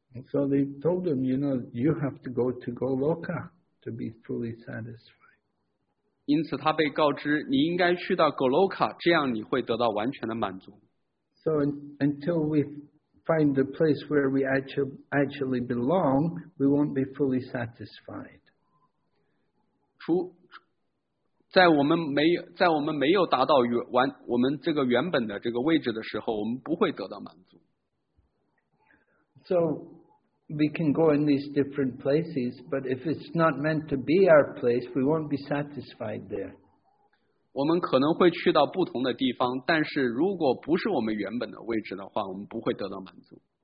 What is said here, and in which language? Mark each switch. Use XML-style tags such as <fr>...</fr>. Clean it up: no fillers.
<en>So they told him, you have to go to Goloka to be fully satisfied.</en> <zh>因此他被告知你应该去到 Goloka， 这样你会得到完全的满足。</zh> <en>So until we find the place where we actually belong, we won't be fully satisfied.</en> <zh>在我们没有达到我们这个原本的这个位置的时候，我们不会得到满足。</zh> <en>So we can go in these different places, but if it's not meant to be our place, we won't be satisfied there.</en> <zh>我们可能会去到不同的地方，但是如果不是我们原本的位置的话，我们不会得到满足。</zh>